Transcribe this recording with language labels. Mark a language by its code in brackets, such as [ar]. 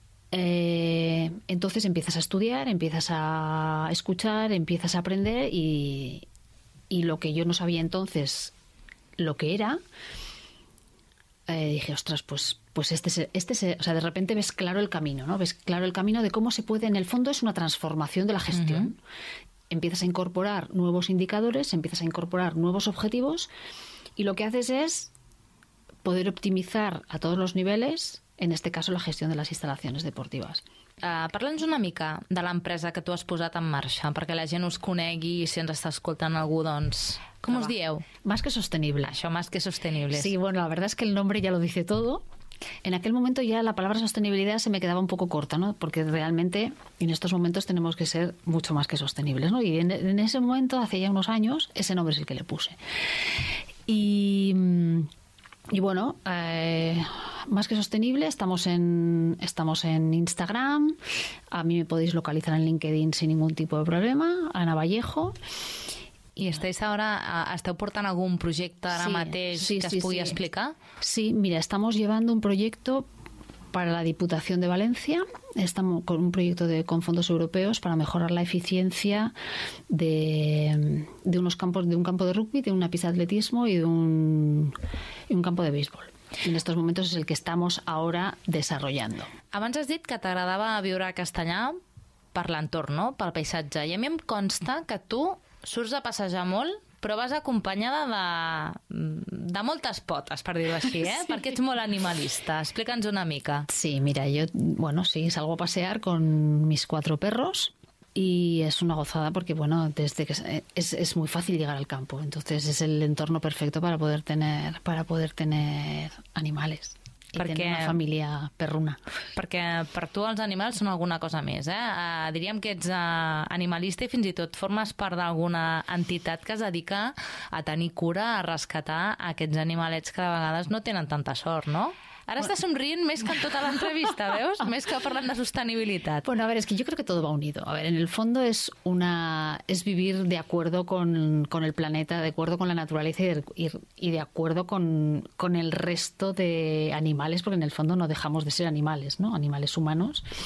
[es] Entonces empiezas a estudiar, empiezas a escuchar, empiezas a aprender y lo que yo no sabía entonces lo que era, dije, ostras, pues o sea, de repente ves claro el camino, ¿no? Ves claro el camino de cómo se puede, en el fondo es una transformación de la gestión. Uh-huh. Empiezas a incorporar nuevos indicadores, empiezas a incorporar nuevos objetivos y lo que haces es poder optimizar a todos los niveles, en este caso la gestión de las instalaciones deportivas. [ca] Parla'ns una mica de l'empresa que tu has posat en marxa, perquè la gent us conegui i si ens està escoltant algú, doncs... Com us dieu? [es] Más que sostenible. [ca] Això, [es] más que sostenible. Sí, bueno, la verdad es que el nombre ya lo dice todo. En aquel momento ya la palabra sostenibilidad se me quedaba un poco corta, ¿no? Porque realmente en estos momentos tenemos que ser mucho más que sostenibles, ¿no? Y en ese momento, hace ya unos años, ese nombre es el que le puse. Y bueno, más que sostenible, estamos en Instagram. A mí me podéis localizar en LinkedIn sin ningún tipo de problema, Ana Vallejo. [ca] I estàs ara, esteu portant algun projecte ara mateix explicar? [es] Sí, mira, estamos llevando un proyecto para la Diputación de Valencia. Estamos con un proyecto de con fondos europeos para mejorar la eficiencia de unos campos, de un campo de rugby, de una pista de atletismo y de un campo de béisbol. En estos momentos es el que estamos ahora desarrollando. [ca] Abans has dit que t'agradava viure a Castellà per l'entorn, no? Pel paisatge. I a mi em consta que tu surts a passejar molt, però vas acompanyada de moltes potes, per dir-ho així, eh? Sí. Perquè ets molt animalista. Explica'ns una mica. [es] Sí, mira, yo, bueno, sí, salgo a pasear con mis cuatro perros. Y es una gozada porque, bueno, desde que es muy fácil llegar al campo. Entonces es el entorno perfecto para poder tener animales. [ca] Perquè, [es] y tener una familia perruna. [ca] Perquè per tu els animals són alguna cosa més, eh? Diríem que ets animalista i fins i tot formes part d'alguna entitat que es dedica a tenir cura, a rescatar aquests animalets que de vegades no tenen tanta sort, no? Ara estàs somrient més que en tota l'entrevista, veus? Més que parlant de sostenibilitat. [es] Bueno, a ver, es que yo creo que todo va unido. A ver, en el fondo es vivir de acuerdo con el planeta, de acuerdo con la naturaleza y de acuerdo con el resto de animales, porque en el fondo no dejamos de ser animales, ¿no? Animales humanos.